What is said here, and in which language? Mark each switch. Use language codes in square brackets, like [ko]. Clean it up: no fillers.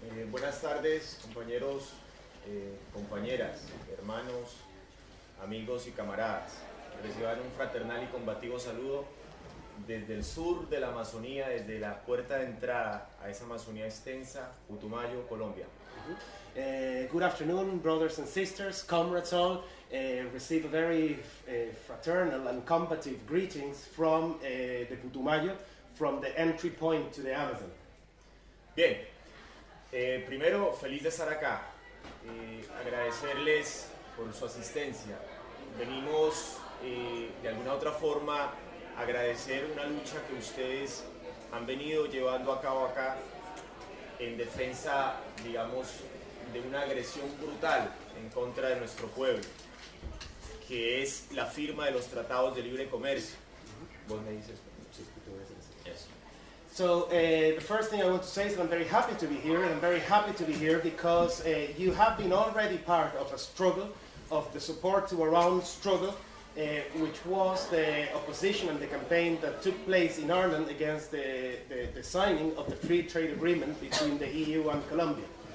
[es] Buenas tardes, compañeros, compañeras, hermanos, amigos y camaradas, reciban un fraternal y combativo saludo desde el sur de la Amazonía, desde la puerta de entrada a esa Amazonía extensa, Putumayo, Colombia. [en] Good afternoon, brothers and sisters, comrades all. Receive a very fraternal and combative greetings from the Putumayo, from the entry point to the Amazon. [es] Bien, primero, feliz de estar acá. Agradecerles por su asistencia. Venimos de alguna otra forma a agradecer una lucha que ustedes han venido llevando a cabo acá en defensa, digamos, de una agresión brutal en contra de nuestro pueblo, que es la firma de los tratados de libre comercio. ¿Vos me dices? Sí, tú me dices. Yes. [en] So, the first thing I want to say is that I'm very happy to be here, and I'm very happy to be here because you have been already part of a struggle of the support to our own struggle, which was the opposition and the campaign that took place in Ireland against the signing of the free trade agreement between the EU and Colombia.